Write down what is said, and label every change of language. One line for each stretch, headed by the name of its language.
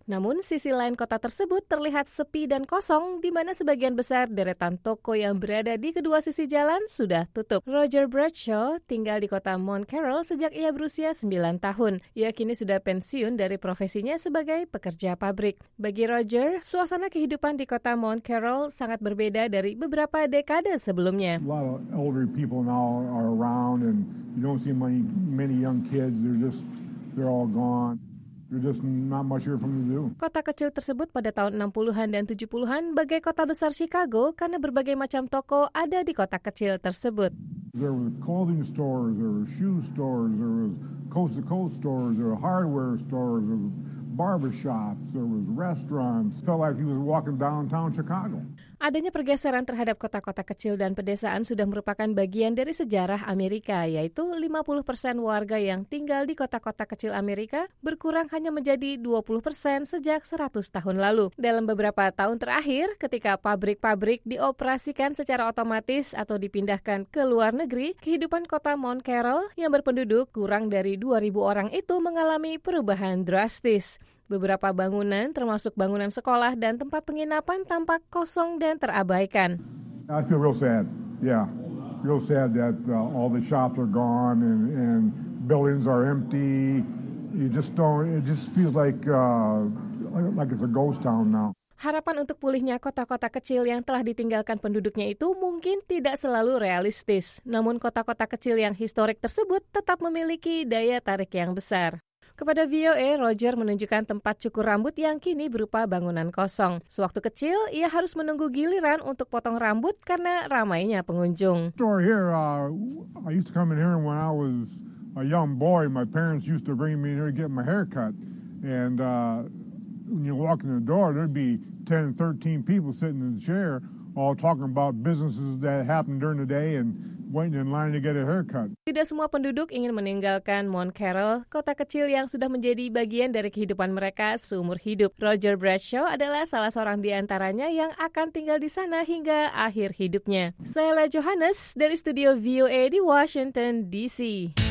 Indonesian: Namun, sisi lain kota tersebut terlihat sepi dan kosong, di mana sebagian besar deretan toko yang berada di kedua sisi jalan sudah tutup. Roger Bradshaw tinggal di kota Mount Carroll sejak ia berusia 9 tahun. Ia kini sudah pensiun dari profesinya sebagai pekerja pabrik. Bagi Roger, suasana kehidupan di kota Mount Carroll sangat berbeda dari beberapa dekade sebelumnya.
English: People now are around and you don't see many young kids. They're all gone. There's just not much here for them to do.
Indonesian: Kota kecil tersebut pada tahun 60-an dan 70-an bagai kota besar Chicago karena berbagai macam toko ada di kota kecil tersebut.
English: There were clothing stores, there were shoe stores, there was coast to coast stores, there were hardware stores, there was barbershops, there was restaurants. It felt like he was walking downtown Chicago.
Indonesian: Adanya pergeseran terhadap kota-kota kecil dan pedesaan sudah merupakan bagian dari sejarah Amerika, yaitu 50% warga yang tinggal di kota-kota kecil Amerika berkurang hanya menjadi 20% sejak 100 tahun lalu. Dalam beberapa tahun terakhir, ketika pabrik-pabrik dioperasikan secara otomatis atau dipindahkan ke luar negeri, kehidupan kota Mount Carroll yang berpenduduk kurang dari 2.000 orang itu mengalami perubahan drastis. Beberapa bangunan, termasuk bangunan sekolah dan tempat penginapan, tampak kosong dan terabaikan.
English: I feel real sad, yeah, real sad that all the shops are gone and buildings are empty. You just don't. It just feels like it's a ghost town now.
Indonesian: harapan untuk pulihnya kota-kota kecil yang telah ditinggalkan penduduknya itu mungkin tidak selalu realistis. Namun kota-kota kecil yang historik tersebut tetap memiliki daya tarik yang besar. Kepada VOA, Roger menunjukkan tempat cukur rambut yang kini berupa bangunan kosong. Sewaktu kecil, ia harus menunggu giliran untuk potong rambut karena ramainya pengunjung.
English: Story here, I used to come in here when I was a young boy. My parents used to bring me in here to get my hair cut. And when you walk in the door, there'd be 10, 13 people sitting in the chair all talking about businesses that happened during the day and waiting in line to get a haircut.
Indonesian: Tidak semua penduduk ingin meninggalkan Mount Carroll, kota kecil yang sudah menjadi bagian dari kehidupan mereka seumur hidup. Roger Bradshaw adalah salah seorang di antaranya yang akan tinggal di sana hingga akhir hidupnya. Saya Lea Johannes dari studio VOA di Washington, D.C.